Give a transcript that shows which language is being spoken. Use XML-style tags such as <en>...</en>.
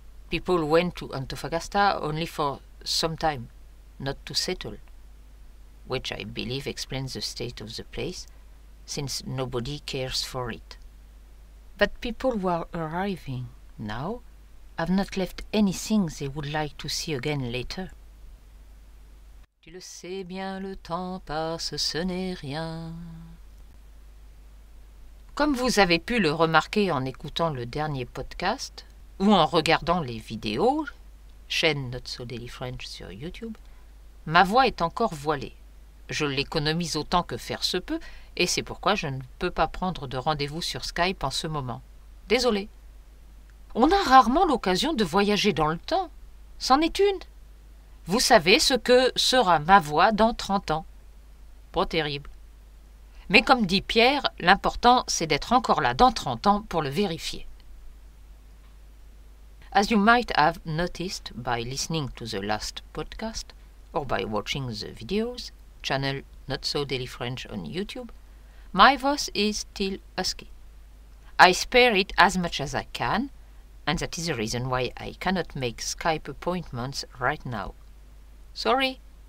<en>People went to Antofagasta only for some time, not to settle, which I believe explains the state of the place, since nobody cares for it. But people who are arriving now have not left anything they would like to see again later.</en> <fr>Tu le sais bien, le temps passe, ce n'est rien. Comme vous avez pu le remarquer en écoutant le dernier podcast ou en regardant les vidéos, chaîne Not So Daily French sur YouTube, ma voix est encore voilée. Je l'économise autant que faire se peut et c'est pourquoi je ne peux pas prendre de rendez-vous sur Skype en ce moment. Désolé. On a rarement l'occasion de voyager dans le temps. C'en est une. Vous savez ce que sera ma voix dans 30 ans. Pas terrible. Mais comme dit Pierre, l'important, c'est d'être encore là dans 30 ans pour le vérifier.</fr> <en>As you might have noticed by listening to the last podcast or by watching the videos, channel Not So Daily French on YouTube, my voice is still husky. I spare it as much as I can, and that is the reason why I cannot make Skype appointments right now. Sorry.</en>